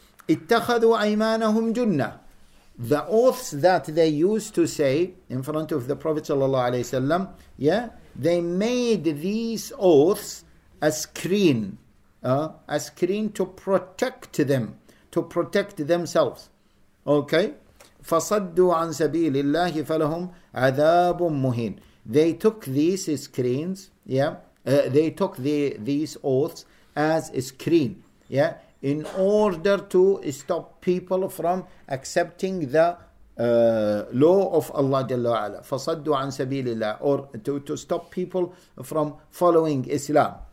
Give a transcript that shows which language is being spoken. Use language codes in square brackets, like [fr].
[ar] اتخذوا أيمانهم جنة. [en] The oaths that they used to say in front of the Prophet sallallahu alaihi wasallam, yeah, they made these oaths a screen to protect them, to protect themselves. [ar] Okay, فصدوا عن سبيل الله فلهم عذاب مهين. [en] They took these screens, yeah, they took these oaths as a screen, yeah, in order to stop people from accepting the law of Allah Jalla wa'ala. [ar] Fasaddu an sabilillah, [en] or to stop people from following Islam.